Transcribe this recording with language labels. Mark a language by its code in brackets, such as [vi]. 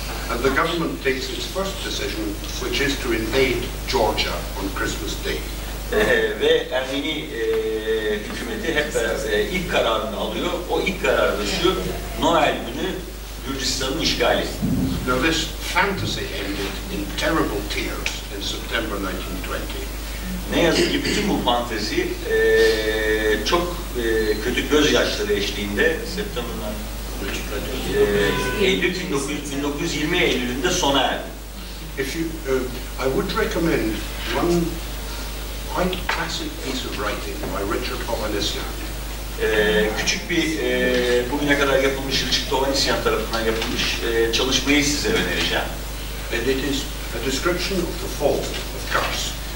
[en] And the government takes its first decision, which is to invade Georgia on Christmas Day. [tr] Ve Ermeni hükümeti hep ilk kararını alıyor. O ilk karar da şu, Noel günü Gürcistan'ın işgali. [en] Now this fantasy ended in terrible tears in September 1920. [tr] Ne yazık ki bütün bu fantezi çok kötü gözyaşları eşliğinde September'dan Eylül 1920 Eylül'ünde sona erdi. [en] If you, I would recommend one quite classic piece of writing by Richard Hovhannisyan. [tr] Küçük bir bugüne kadar yapılmış Richard Hovhannisyan tarafından yapılmış çalışmayı size önereceğim. [en] And it is a description of the fall of Kars.